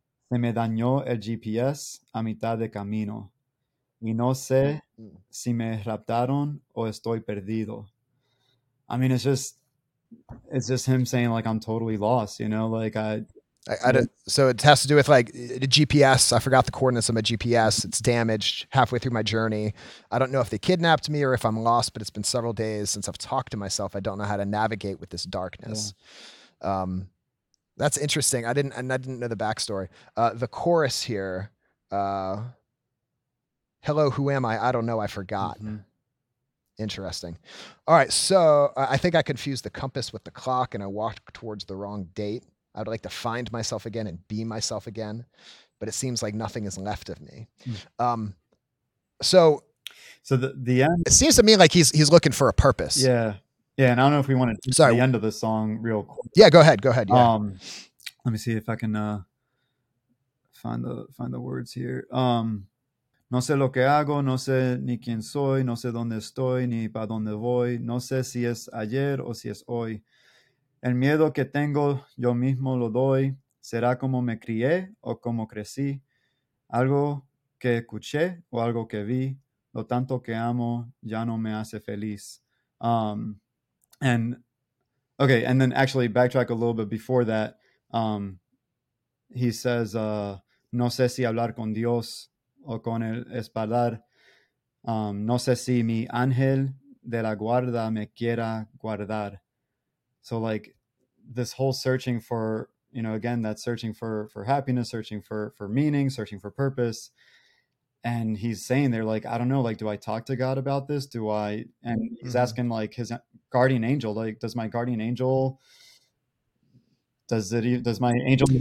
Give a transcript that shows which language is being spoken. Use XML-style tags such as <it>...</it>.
<es>Se me dañó el GPS a mitad de camino. Y no sé si me raptaron o estoy perdido.</es> <en>I mean, it's just him saying like, I'm totally lost, you know, like so it has to do with like the GPS. I forgot the coordinates of my GPS. It's damaged halfway through my journey. I don't know if they kidnapped me or if I'm lost, but it's been several days since I've talked to myself. I don't know how to navigate with this darkness. Yeah. That's interesting. I didn't know the backstory. The chorus here, hello, who am I? I don't know. I forgot. Mm-hmm. Interesting. All right. So I think I confused the compass with the clock and I walked towards the wrong date. I'd like to find myself again and be myself again, but it seems like nothing is left of me. Mm-hmm. So the end, it seems to me like he's looking for a purpose. Yeah. Yeah, and I don't know if we want to Sorry. The end of the song real quick. Yeah, go ahead. Yeah. Let me see if I can find the words here.</en> <es>No sé lo que hago, no sé ni quién soy, no sé dónde estoy, ni para dónde voy, no sé si es ayer o si es hoy. El miedo que tengo, yo mismo lo doy. ¿Será como me crié o como crecí? Algo que escuché o algo que vi, lo tanto que amo ya no me hace feliz.</es> <en>And then actually backtrack a little bit before that. He says,</en> <es>no sé si hablar con Dios o con el espaldar. No sé si mi ángel de la guarda me quiera guardar.</es> <en>So like this whole searching for, you know, again, that searching for happiness, searching for meaning, searching for purpose. And he's saying they're like, I don't know, like, do I talk to God about this? Do I? And he's mm-hmm. asking like his guardian angel, like, does my guardian angel, does my angel?</en>